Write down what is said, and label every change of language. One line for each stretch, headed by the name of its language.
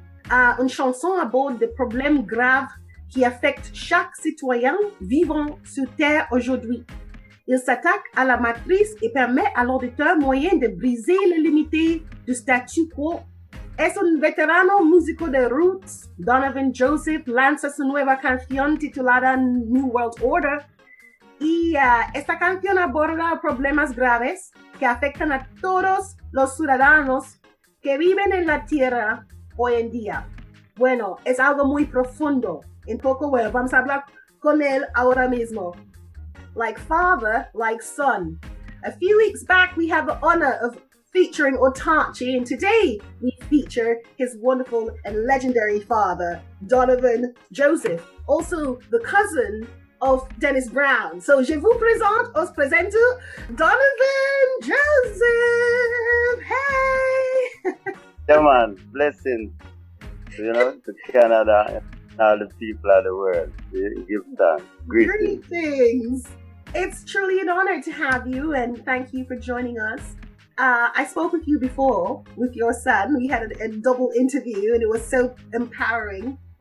French: Une chanson aborde des problèmes graves qui affectent chaque citoyen vivant sur Terre aujourd'hui. Il s'attaque à la matrice et permet à l'auditeur moyen de briser les limites du statu quo.
Spanish: Es un veterano músico de roots. Donovan Joseph lanza su nueva canción titulada New World Order. Y esta canción aborda problemas graves que afectan a todos los ciudadanos que viven en la tierra hoy en día. Bueno, es algo muy profundo. En poco, bueno, vamos a hablar con él ahora mismo.
English: Like father, like son. A few weeks back, we had the honor of featuring Otachi, and today we feature his wonderful and legendary father, Donovan Joseph, also the cousin of Dennis Brown.
French: So je vous présente,
Spanish: os presento,
French: Donovan Joseph.
English: Hey! Come on, blessing, you know, to Canada and all the people of the world. Give thanks. Greetings. It's truly an honor to have you, and thank you for joining us. I spoke with you before, with your son. We had a double interview, and it was so empowering.